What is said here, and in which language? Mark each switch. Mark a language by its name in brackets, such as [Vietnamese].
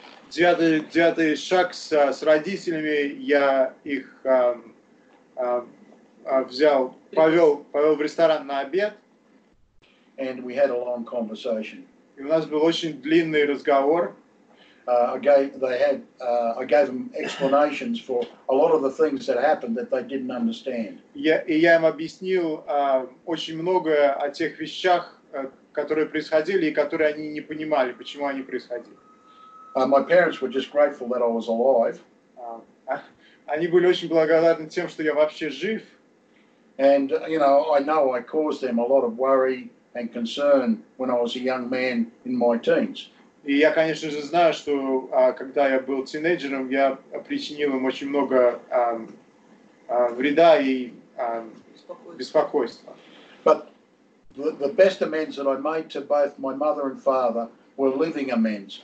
[Russian] девятый шаг с родителями, я их повел в ресторан на обед. [English] And we had a long conversation. [Russian] И у нас был очень длинный разговор. [English] I gave them explanations for a lot of the things that happened that they didn't understand. [Russian] Я им объяснил очень многое о тех вещах, которые происходили и которые они не понимали, почему они происходили. [English] My parents were just grateful that I was alive. [Russian] Они были очень благодарны тем, что я вообще жив. [English] And you know I caused them a lot of worry and concern when I was a young man in my teens. [Russian] И я, конечно же, знаю, что когда я был тинейджером, я причинил им очень много вреда и беспокойства. [English] But the best amends that I made to both my mother and father were living amends.